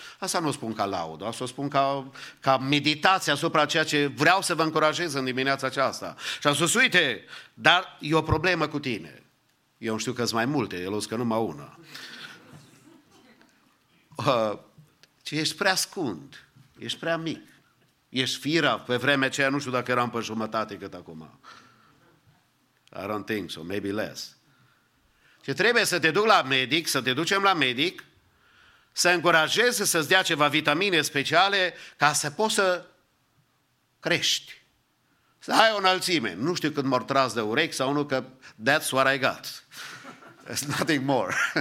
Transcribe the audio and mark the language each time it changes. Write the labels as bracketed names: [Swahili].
[Romanian] Asta nu o spun ca laudă, asta o spun ca meditație asupra ceea ce vreau să vă încurajez în dimineața aceasta. Și am spus, uite, dar e o problemă cu tine. Eu știu că sunt mai multe, el o zică numai una. Ce ești prea scund, ești prea mic. Ești fira, pe vremea aceea nu știu dacă eram pe jumătate cât acum. [English] I don't think so, maybe less. [Romanian] Și trebuie să te duc la medic, să te ducem la medic, să încurajeze să-ți dea ceva vitamine speciale ca să poți să crești. Să ai o înălțime. Nu știu cât m-or tras de urechi sau nu, că [English] that's what I got. It's nothing more.